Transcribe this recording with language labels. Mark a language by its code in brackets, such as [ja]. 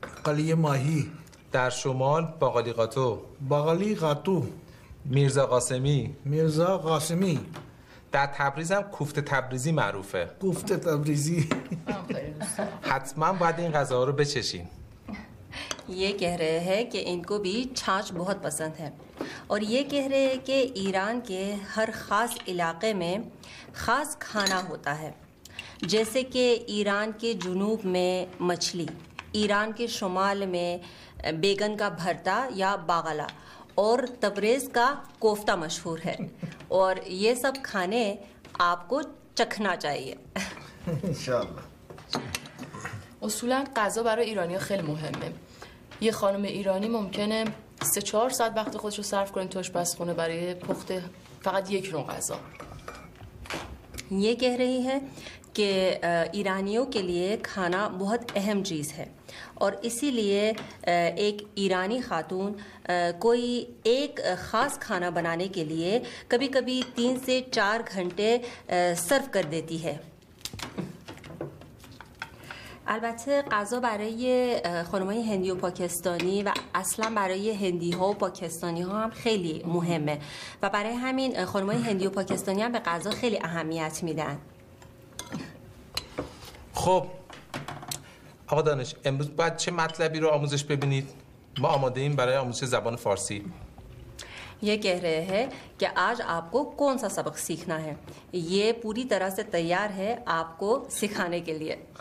[fa] قلیه ماهی. در شمال باقالی قاتو. باقالی قاتو. میرزا قاسمی. میرزا قاسمی. در تبریز هم کوفته تبریزی معروفه. کوفته تبریزی. حتما باید این غذا رو بچشین. [ur] یه گهره هست که اینکو بی چاچ بہت پسند ہے، اور یہ کہہ رہے ہیں کہ ایران کے ہر خاص علاقے میں خاص کھانا ہوتا ہے. جیسے کہ ایران کے جنوب میں مچھلی، ایران کے شمال میں بیگن کا بھرتا یا باغلا، اور تبریز کا کوفتہ مشہور ہے، اور یہ سب کھانے آپ کو چکھنا چاہیے انشاءاللہ. [fa] اصولاً غذا برای ایرانی خیلی مهمه. یه خانم ایرانی ممکنه 3-4 ساعت وقت خودش رو صرف کنه تو آشپزخونه برای پخت فقط یک نوع غذا. [ur] یہ کہہ رہی ہے کہ ایرانیوں کے لیے کھانا بہت اہم چیز ہے، اور اسی لیے ایک ایرانی خاتون کوئی ایک خاص کھانا بنانے کے لیے کبھی کبھی 3-4 گھنٹے صرف کر دیتی ہے. [fa] البته غذا برای خانمای هندی و پاکستانی و اصلا برای هندی ها و پاکستانی ها هم خیلی مهمه، و برای همین خانمای هندی و پاکستانی هم به غذا خیلی اهمیت میدن. خب آقا دانش، امروز باید چه مطلبی رو آموزش ببینید؟ ما آماده ایم برای آموزش زبان فارسی. [ur] یہ کہہ رہے ہیں کہ آج آپ کو کون سا سبق سیکھنا ہے. یہ پوری طرح سے تیار ہے آپ کو سکھانے کے لیے.